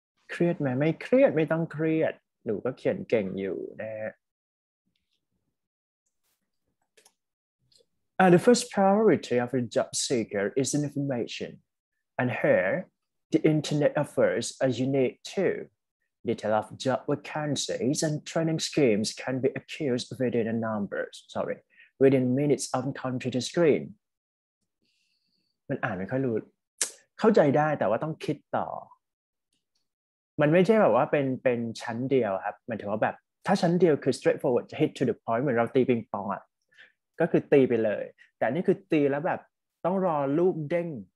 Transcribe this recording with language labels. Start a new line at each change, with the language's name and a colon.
Thai: เครียดไหมไม่เครียดไม่ต้องเครียดหนูก็เขียนเก่งอยู่นะฮะ
English: The first priority of a job seeker is information, and here, the internet offers a unique tool. Detail of job vacancies and training schemes can be accessed within a number, sorry, within minutes of encountering the screen.
Thai: มันอ่านไม่ค่อยรู้เข้าใจได้แต่ว่าต้องคิดต่อมันไม่ใช่แบบว่าเป็นชั้นเดียวครับมันถือว่าแบบถ้าชั้นเดียวคือ
English: straightforward hit to the point
Thai: เหมือนเราตีปิงปองอะก็คือตีไปเลยแต่นี่คือตีแล้วแบบต้องรอลูกเด้ง